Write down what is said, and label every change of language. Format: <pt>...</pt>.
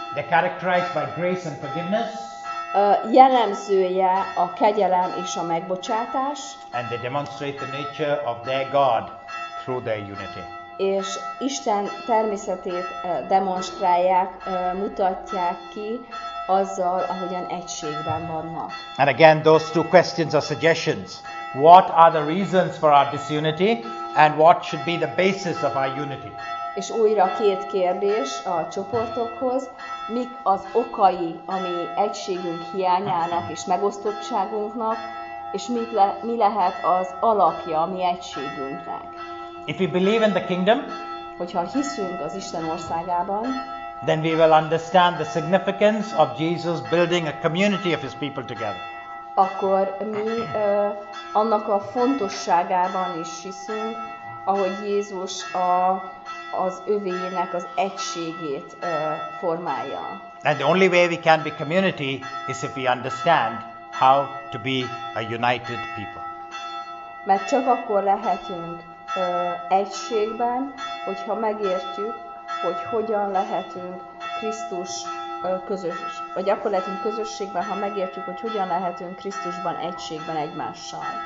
<en>They're characterized by grace and forgiveness.</en> <hu>Jellemzője a kegyelem és a megbocsátás.</hu> <en>And they demonstrate the nature of their God through their unity.</en> <hu>És Isten természetét demonstrálják, mutatják ki azzal, ahogyan egységben vannak.</hu> <en>And again, those two questions are suggestions. What are the reasons for our disunity, and what should be the basis of our unity?</en> <hu>És újra két kérdés a csoportokhoz. Mik az okai, ami egységünk hiányának és megosztottságunknak, és mi lehet az alapja a mi egységünknek?</hu> <en>If we believe in the kingdom,</en> <hu>hogyha hiszünk az Isten országában,</hu> <en>then we will understand the significance of Jesus building a community of his people together.</en> <hu>Akkor mi annak a fontosságában is hiszünk, ahogy Jézus az övéinek az egységét formálja.</hu> <en>And the only way we can be community is if we understand how to be a united people.</en> <hu>Mert csak akkor lehetünk egységben, hogyha megértjük, hogy hogyan lehetünk Krisztus közös, vagy akkor lehetünk közösségben, ha megértjük, hogy hogyan lehetünk Krisztusban egységben egymással.</hu>